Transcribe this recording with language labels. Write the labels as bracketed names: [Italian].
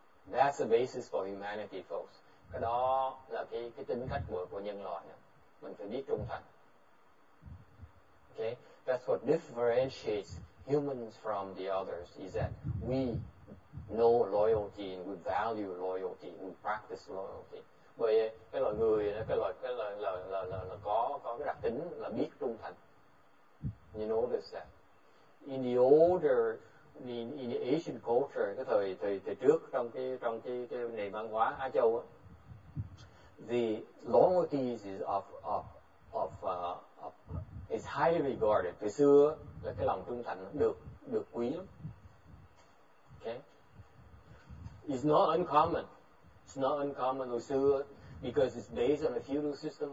[English] That's the basis for humanity, folks. [Vietnamese] Cái đó là cái tính cách của nhân loại nha. Mình phải biết trung thành. [English] Okay, that's what differentiates humans from the others, is that we know loyalty and we value loyalty, we practice loyalty. [Vietnamese] Bởi vậy, cái loài người đó, cái loài là có cái đặc tính là biết trung thành. [English] You notice that in the older, in the Asian culture, [Vietnamese] cái thời trước trong cái nền văn hóa Á Châu á, [English] the loyalty is of is highly regarded. [Vietnamese] Từ xưa là cái lòng trung thành được quý lắm. [English] Okay. It's not uncommon. It's not uncommon [Vietnamese] hồi xưa, [English] because it's based on a feudal system.